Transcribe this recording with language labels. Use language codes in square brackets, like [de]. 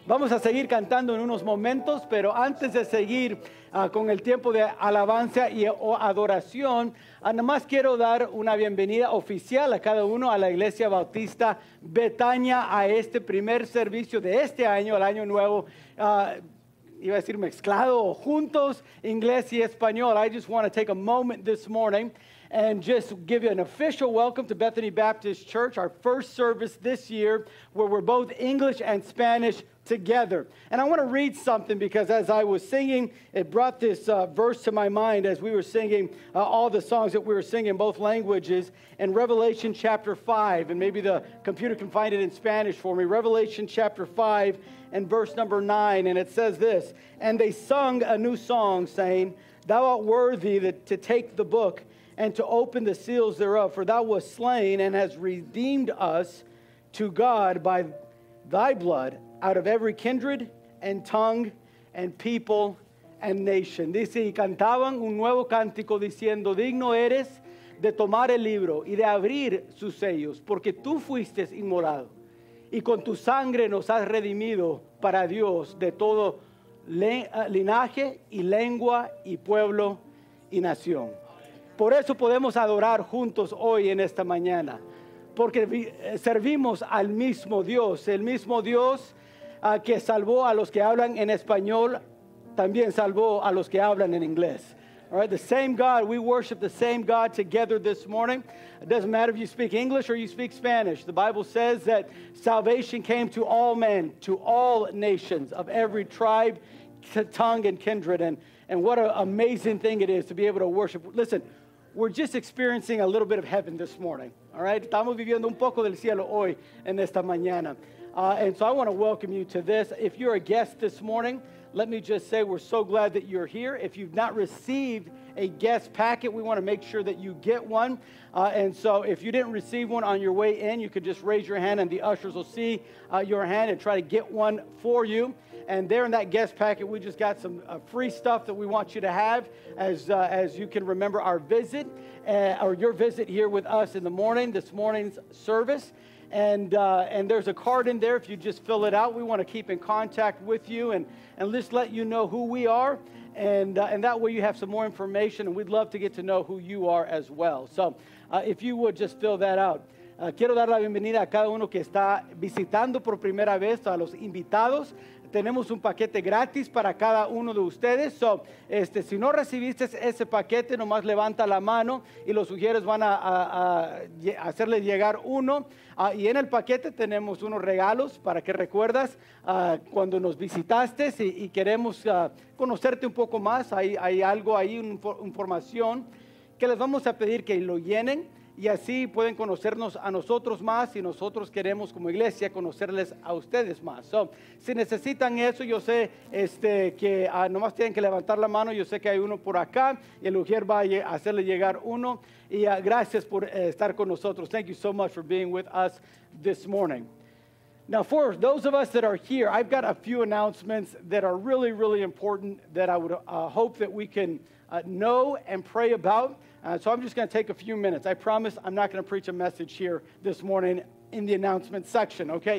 [es] Vamos a seguir cantando en unos momentos, pero antes de seguir con el tiempo de alabanza y o adoración, nada más quiero dar una bienvenida oficial a cada uno a la Iglesia Bautista Betania a este primer servicio de este año, el año nuevo. Iba a decir mezclado o juntos, inglés y español. [en] I just want to take a moment this morning and just give you an official welcome to Bethany Baptist Church, our first service this year, where we're both English and Spanish together. And I want to read something because as I was singing, it brought this verse to my mind as we were singing all the songs that we were singing, both languages, in Revelation chapter 5. And maybe the computer can find it in Spanish for me. Revelation chapter 5 and verse number 9. And it says this, "And they sung a new song, saying, Thou art worthy to take the book and to open the seals thereof, for thou wast slain and hast redeemed us to God by thy blood out of every kindred and tongue and people and nation." [es] Dice, y cantaban un nuevo cántico diciendo, digno eres de tomar el libro y de abrir sus sellos, porque tú fuiste inmolado y con tu sangre nos has redimido para Dios de todo linaje y lengua y pueblo y nación. Por eso podemos adorar juntos hoy en esta mañana, porque servimos al mismo Dios. El mismo Dios que salvó a los que hablan en español, también salvó a los que hablan en inglés. [en] All right, the same God, we worship the same God together this morning. It doesn't matter if you speak English or you speak Spanish. The Bible says that salvation came to all men, to all nations of every tribe, tongue, and kindred. And what an amazing thing it is to be able to worship. Listen, we're just experiencing a little bit of heaven this morning. All right? [es] Estamos viviendo un poco del cielo hoy en esta mañana. [en] And so I want to welcome you to this. If you're a guest this morning, let me just say we're so glad that you're here. If you've not received a guest packet, we want to make sure that you get one. And so if you didn't receive one on your way in, you could just raise your hand and the ushers will see your hand and try to get one for you. And there in that guest packet, we just got some free stuff that we want you to have as you can remember our visit or your visit here with us in the morning, this morning's service. And there's a card in there. If you just fill it out, we want to keep in contact with you and just let you know who we are. And that way you have some more information, and we'd love to get to know who you are as well. So if you would just fill that out. [es] Quiero dar la bienvenida a cada uno que está visitando por primera vez, a los invitados. Tenemos un paquete gratis para cada uno de ustedes. So, si no recibiste ese paquete, nomás levanta la mano y los sugieres van a hacerles llegar uno. Y en el paquete tenemos unos regalos para que recuerdas cuando nos visitaste y queremos conocerte un poco más. Hay algo ahí, información que les vamos a pedir que lo llenen y así pueden conocernos a nosotros más y nosotros queremos como iglesia conocerles a ustedes más. So, si necesitan eso, yo sé que nomás tienen que levantar la mano. Yo sé que hay uno por acá y el ujier va a hacerle llegar uno. Y gracias por estar con nosotros. [en] Thank you so much for being with us this morning. Now, for those of us that are here, I've got a few announcements that are really, really important that I would hope that we can know and pray about. So I'm just going to take a few minutes. I promise I'm not going to preach a message here this morning in the announcement section, okay?